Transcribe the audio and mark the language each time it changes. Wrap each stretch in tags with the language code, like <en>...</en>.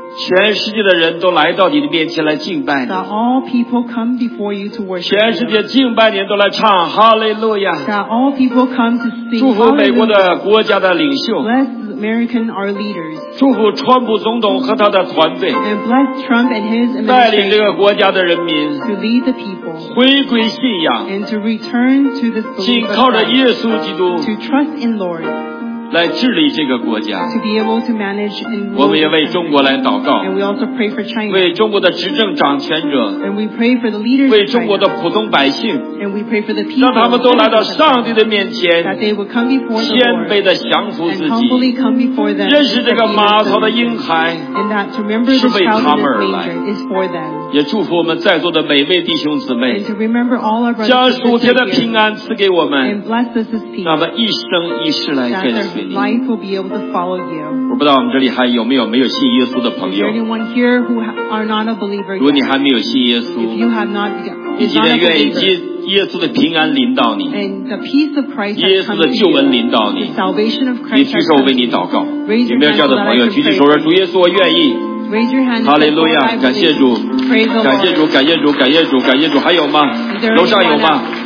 <zh>全世界的人都来到你的面前来敬拜你。</zh> <en>That all people come before you to worship.</en> <zh>全世界敬拜你都来唱 Hallelujah.</zh> <en>That all people come to sing.</en> <zh>祝福美国的国家的领袖。</zh> <en>Bless American our leaders.</en> <zh>祝福川普总统和他的团队。</zh> <en>And bless Trump and his administration.</en> <zh>带领这个国家的人民。</zh> <en>To lead the people.</en> <zh>回归信仰。</zh> <en>And to return to the faith.</en> <zh>紧靠着耶稣基督。</zh> <en>To trust in Lord.</en> <zh>来治理这个国家。</zh> <en>To be able to manage and rule.</en> <zh>我们也为中国来祷告。</zh> <en>And we also pray for China.</en> <zh>为中国的执政掌权者。</zh> <en>And we pray for the leaders.</en> <zh>为中国的普通百姓。</zh> <en>And we pray for the people.</en> <zh>让他们都来到上帝的面前。</zh> <en>That they will come before the Lord.</en> <zh>谦卑的降服自己。</zh> <en>And humbly come before them.</en> <zh>认识这个马槽的婴孩。</zh> <en>And that to remember the child in the manger is for them.</en> <zh>也祝福我们在座的每位弟兄姊妹。</zh> <en>And to remember all our brothers and sisters.</en> <zh>将属天的平安赐给我们。</zh> <en>And bless us this peace.</en> <zh>让我们一生一世来跟随。</zh> <en>Life will be able to follow you.</en> <zh>我不知道我们这里还有没有没有信耶稣的朋友。</zh> <en>Is there anyone here who are not a believer yet?</en> <zh>如果你还没有信耶稣，</zh> <en>if you have not, you</en> <zh>你今天愿意接耶稣的平安临到你，</zh> <en>and the peace of Christ has come to you.</en> <zh>耶稣的救恩临到你，</zh> <en>the salvation of Christ.</en> <zh>你举手为你祷告。有没有这样的朋友？举起手说：“主耶稣，我愿意。”</zh> <en>Raise your hand.</en> <zh>Hallelujah! 感谢主，感谢主，感谢主，感谢主，感谢主。还有吗？楼上有吗？</zh>